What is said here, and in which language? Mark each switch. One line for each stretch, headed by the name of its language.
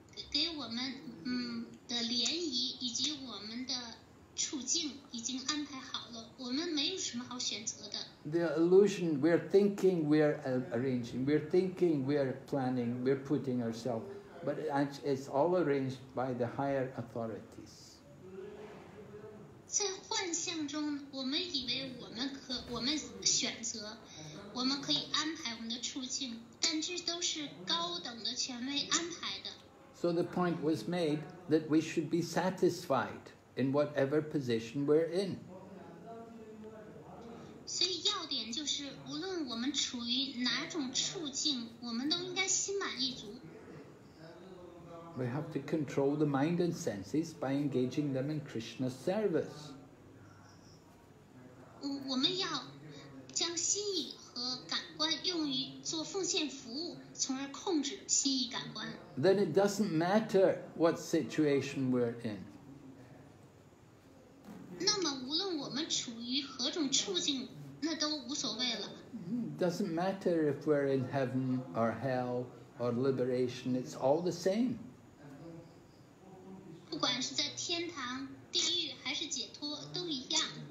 Chinese: 给我们的联谊以及我们的处境已经安排好了，我们没有什么好选择的。
English: The illusion, we're thinking, we're arranging, we're thinking, we're planning, we're putting ourselves, but it's all arranged by the higher authorities.
Chinese: 在幻象中，我们以为我们选择，我们可以安排我们的处境，但这都是高等的权威安排的。
English: So the point was made that we should be satisfied in whatever position we're in. So the
Chinese: 要点就是无论我们处于哪种处境，我们都应该心满意足。
English: We have to control the mind and senses by engaging them in Krishna's service.
Chinese: 我们要将心意和感官用于做奉献服务。从而控制心意感官。
English: Then it doesn't matter what situation we're in.
Chinese: 那么无论我们处于何种处境，那都无所谓了。
English: Doesn't matter if we're in heaven or hell or liberation, it's all the same.
Chinese: 不管是在天堂、地狱还是解脱，都一样。